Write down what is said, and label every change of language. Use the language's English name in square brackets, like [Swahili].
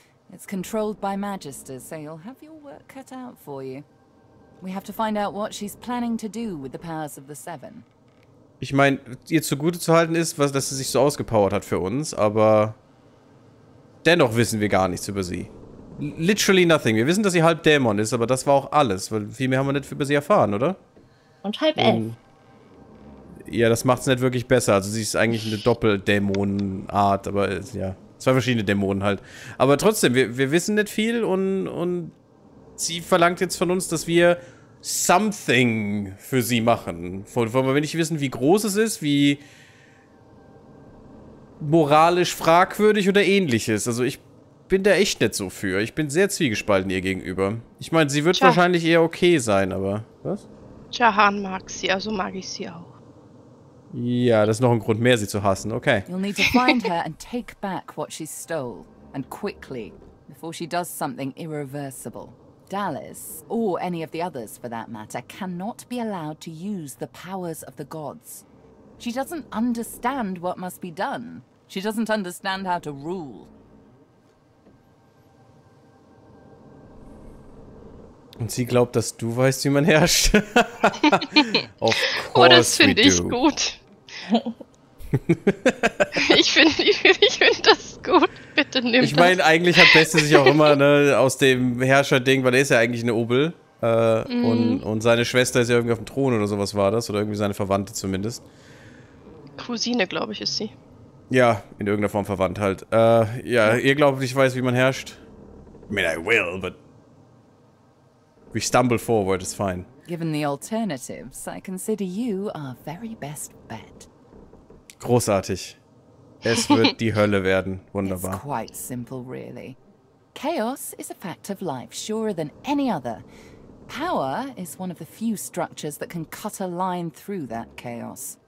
[English] It's controlled by Magisters, so you'll have your work cut out for you. We have to find out what she's planning to do with the powers of the Seven. [German] Ich meine, ihr zugute zu halten ist, was, dass sie sich so ausgepowert hat für uns, aber dennoch wissen wir gar nichts über sie. [English] Literally nothing. [German] Wir wissen, dass sie halb Dämon ist, aber das war auch alles, weil viel mehr haben wir nicht über sie erfahren, oder? Und halb Elf. Ja, das macht's nicht wirklich besser. Also sie ist eigentlich eine Doppeldämonenart, aber ist, ja. Zwei verschiedene Dämonen halt. Aber trotzdem, wir wissen nicht viel und sie verlangt jetzt von uns, dass wir something für sie machen. Wollen wir nicht wissen, wie groß es ist, wie moralisch fragwürdig oder ähnliches. Also ich bin da echt nicht so für. Ich bin sehr zwiegespalten ihr gegenüber. Ich meine, sie wird wahrscheinlich eher okay sein, aber was? Jahan mag sie, also mag ich sie auch. Ja, das ist noch ein Grund mehr, sie zu hassen. Okay. [English] You'll need to find her and take back what she stole. And quickly, before she does something irreversible. Dallas, or any of the others for that matter, cannot be allowed to use the powers of the gods. She doesn't understand what must be done. She doesn't understand how to rule. [German] Und sie glaubt, dass du weißt, wie man herrscht? [English] Of course [German] oh, das finde ich [English] do. [German] Gut. Ich finde das gut. Bitte nimm ich meine, eigentlich hat Beste sich auch immer ne, aus dem Herrscher-Ding, weil er ist ja eigentlich eine Obel. Und seine Schwester ist ja irgendwie auf dem Thron oder sowas war das. Oder irgendwie seine Verwandte zumindest. Cousine, glaube ich, ist sie. Ja, in irgendeiner Form verwandt halt. Ja, ihr glaubt, ich weiß, wie man herrscht. [English] I mean, I will, but... We stumble forward, it's fine. Given the alternatives, I consider you our very best bet. [German] Großartig. Es wird die Hölle werden. Wunderbar. [English] It's quite simple, really. Chaos is a fact of life, surer than any other. Power is one of the few structures that can cut a line through that chaos.